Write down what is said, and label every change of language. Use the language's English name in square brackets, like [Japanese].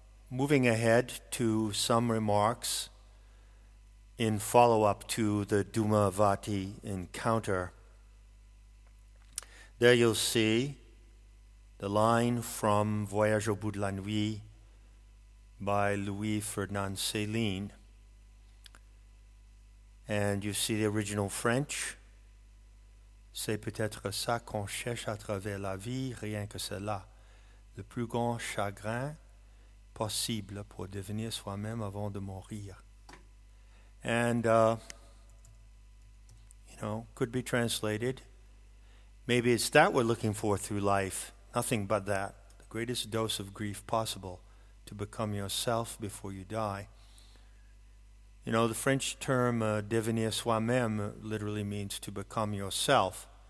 [English] Moving ahead to some remarks in follow-up to the Dumavati encounter. There you'll see the line from Voyage au bout de la nuit by Louis Ferdinand Céline. And you see the original French. [French] C'est peut-être ça qu'on cherche à travers la vie, rien que cela. Le plus grand chagrin possible pour devenir soi-même avant de mourir. [English] And, could be translated. Maybe it's that we're looking for through life. Nothing but that. The greatest dose of grief possible to become yourself before you die. You know, the French term devenir soi-même literally means to become yourself.